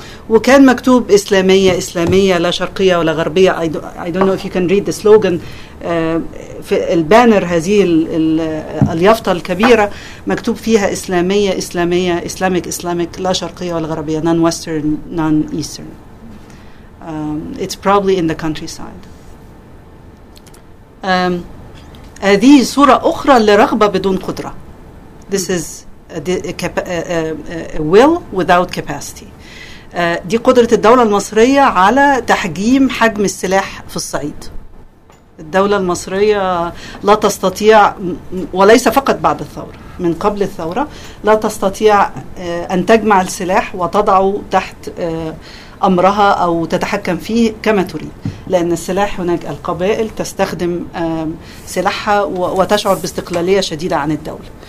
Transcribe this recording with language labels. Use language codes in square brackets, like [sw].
[ar] وكان مكتوب إسلامية لا شرقية ولا غربية. [en] I don't know if you can read the slogan, [ar] في البانر هذه اليافطة الكبيرة مكتوب فيها إسلامية Islamic لا شرقية ولا غربية, [en] non-western, non-eastern. It's probably in the countryside. [ar] هذه صورة أخرى لرغبة بدون قدرة. [en] This is a will without capacity. [ar] دي قدرة الدولة المصرية على تحجيم حجم السلاح في الصعيد. الدولة المصرية لا تستطيع, وليس فقط بعد الثورة, من قبل الثورة لا تستطيع أن تجمع السلاح وتضعه تحت أمرها أو تتحكم فيه كما تريد, لأن السلاح هناك القبائل تستخدم سلاحها وتشعر باستقلالية شديدة عن الدولة.